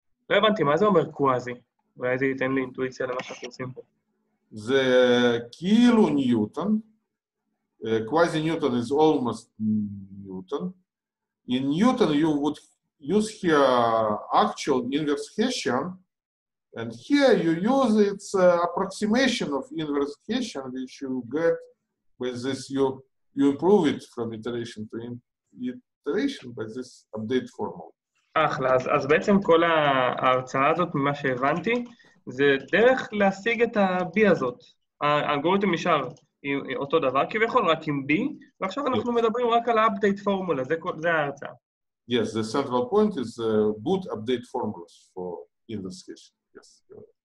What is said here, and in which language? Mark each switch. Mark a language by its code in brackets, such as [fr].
[he] לא הבנתי, מה זה אומר קוואזי? אולי זה ייתן לי אינטואיציה למה שאנחנו עושים פה. זה כאילו ניוטון. [en] קוואזי ניוטון is almost ניוטון. In Newton, you would use here actual inverse Hessian, and here you use its approximation of inverse Hessian, which you get with this, you improve it from iteration to iteration by this update formula. [he] אחלה, אז בעצם כל ההרצאה הזאת, ממה שהבנתי, זה דרך להשיג את ה-B הזאת. האלגוריתם נשאר אותו דבר, כביכול רק עם B, ועכשיו אנחנו מדברים רק על ה-update formula, זה ההרצאה. [en] Yes, the central point is boot update formulas for inverse Hessian. Yes.